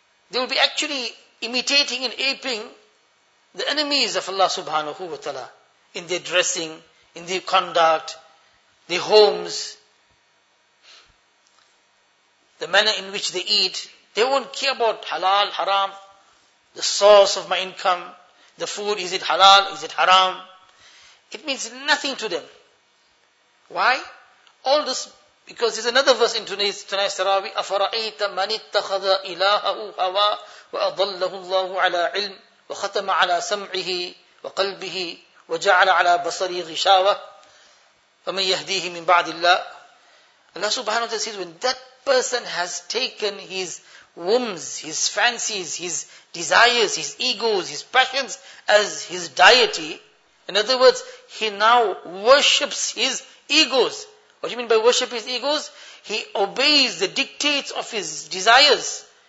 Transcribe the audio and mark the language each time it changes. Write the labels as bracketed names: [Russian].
[English] They will be actually imitating and aping the enemies of Allah subhanahu wa ta'ala in their dressing, in their conduct, their homes, the manner in which they eat. They won't care about halal, haram, the source of my income, the food, is it halal, is it haram? It means nothing to them. Why? All this, because there's another verse in tonight's Tarawih, [Arabic] أَفَرَأَيْتَ مَنِ اتَّخَذَ إِلَاهَهُ هَوَى وَأَضَلَّهُ اللَّهُ عَلَى عِلْمٍ وَخَتَمَ عَلَى سَمْعِهِ وَقَلْبِهِ وَجَعَلَ عَلَى بَصَرِي غِشَاوَةِ فَمَنْ يَهْدِيهِ مِنْ بَعْدِ اللَّهِ. [English] Allah subhanahu wa ta'ala says, when that person has taken his whims, his fancies, his desires, his egos, his passions as his deity, in other words, he now worships his egos. What do you mean by worship his egos? He obeys the dictates of his desires.